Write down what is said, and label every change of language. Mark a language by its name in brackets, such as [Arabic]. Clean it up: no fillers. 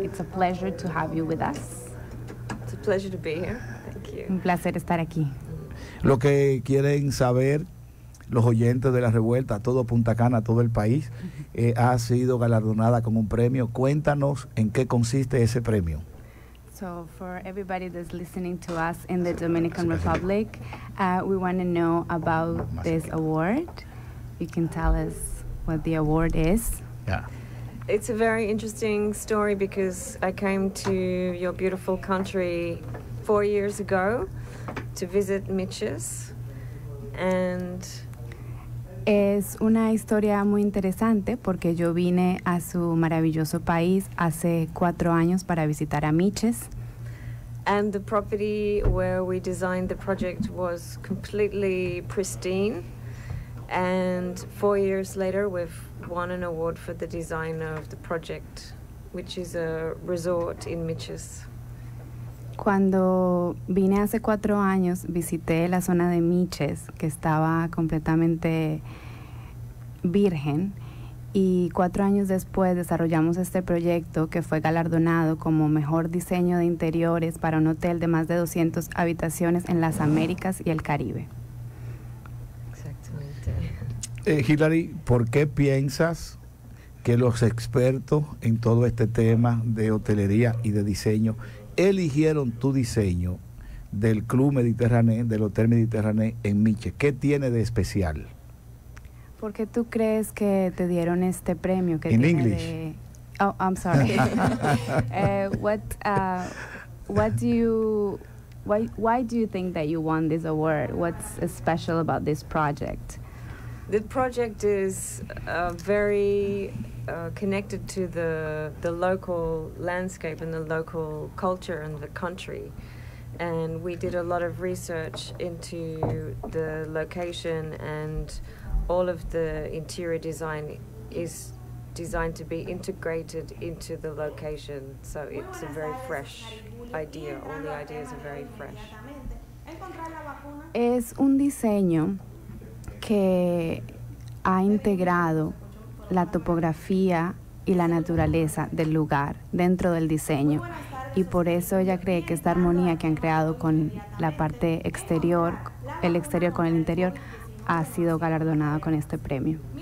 [English] It's a pleasure to have you with us. It's a pleasure to be here. Thank you. [Spanish] Un placer estar aquí. Lo que quieren saber los oyentes de la Revuelta, todo Punta Cana, todo el país, ha sido galardonada con un premio. Cuéntanos en qué consiste ese premio. [English] So, for everybody that's listening to us in the Dominican Republic, we want to know about this award. You can tell us what the award is. Yeah. It's a very interesting story because I came to your beautiful country 4 years ago to visit Mitch's. And [Spanish] es una historia muy interesante porque yo vine a su maravilloso país hace 4 años para visitar a Mitch's. [English] And the property where we designed the project was completely pristine. And 4 years later, we've won an award for the design of the project, which is a resort in Mitch's. [Spanish] Cuando vine hace 4 años, visité la zona de Mitch's, que estaba completamente virgen, y 4 años después desarrollamos este proyecto que fue galardonado como mejor diseño de interiores para un hotel de más de 200 habitaciones en las Américas y el Caribe. Exactamente. Hilary, ¿por qué piensas que los expertos en todo este tema de hotelería y de diseño eligieron tu diseño del Club Mediterráneo, del Hotel Mediterráneo en Mitch's? ¿Qué tiene de especial? ¿Por qué tú crees que te dieron este premio? [English] In English. [Spanish] De... [English] Oh, I'm sorry. why do you think that you won this award? What's special about this project? The project is very connected to the local landscape and the local culture and the country. And we did a lot of research into the location, and all of the interior design is designed to be integrated into the location, so it's a very fresh idea. All the ideas are very fresh. [Spanish] Es un diseño que ha integrado la topografía y la naturaleza del lugar dentro del diseño, y por eso ella cree que esta armonía que han creado con la parte exterior, el exterior con el interior, ha sido galardonada con este premio.